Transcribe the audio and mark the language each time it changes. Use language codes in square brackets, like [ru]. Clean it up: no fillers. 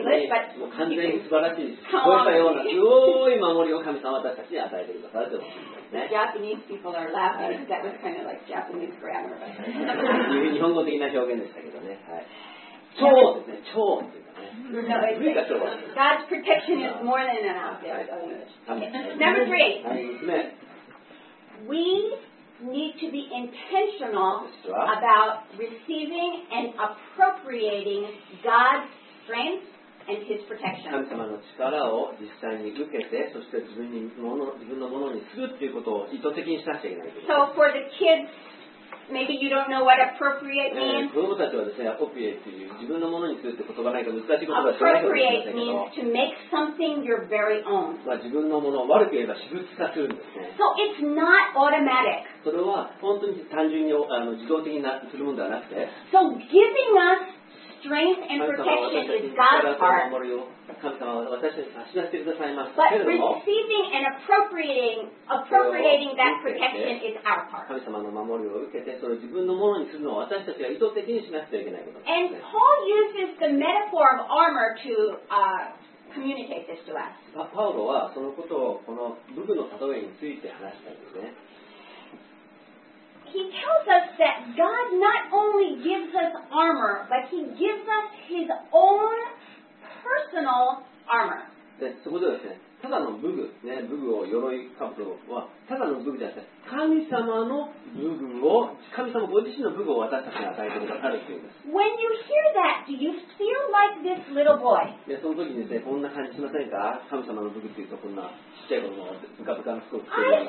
[en] That's not very good English, but you can come along with me. Japanese people are laughing. That was kind of like Japanese grammar. [ja] 日本語的な表現でしたけどね。超ですね。超。 [en] God's protection is more than enough. Number three. We... need to be intentional about receiving and appropriating God's strength and His protection. [ja] 神様の力を実際に受けて、そして自分のものにするっていうことを意図的にしなきゃいけない。 [en] So for the kids, maybe you don't know what appropriate means. [ja] 子供たちはですね、appropriate っていう自分のものにするって言葉がないか難しいことだと思いますけど。 [en] Appropriate means to make something your very own. [ja] 自分のものを悪く言えば私物化するんですね。 [en] So it's not automatic. [ja] それは本当に単純に自動的にするものではなくて、 [en] so giving us strength and protection is God's part. [ja] 神様は私たちに差し出してくださいます。 [en] But receiving and appropriating that protection is our part. [ja] 神様の守りを受けて、それを自分のものにするのは私たちが意図的にしなくてはいけないことです、ね。 [en] And Paul uses the metaphor of armor to communicate this to us. [ja] パウロはそのことをこの武具の例えについて話したんですね。 [en] He tells us that God not only gives us armor, but He gives us His own personal armor. [ja] で、そこでですね、ただの武具、ね、武具を鎧かぶるは、ただの武具じゃなくて、神様の武具を、神様ご自身の武具を私たちに与えてくださるというんです。 [en] When you hear that, do you feel like this little boy? [ja] で、その時にですね、こんな感じしませんか？神様の武具っていうと、こんな小さい子供がブカブカの服を着ている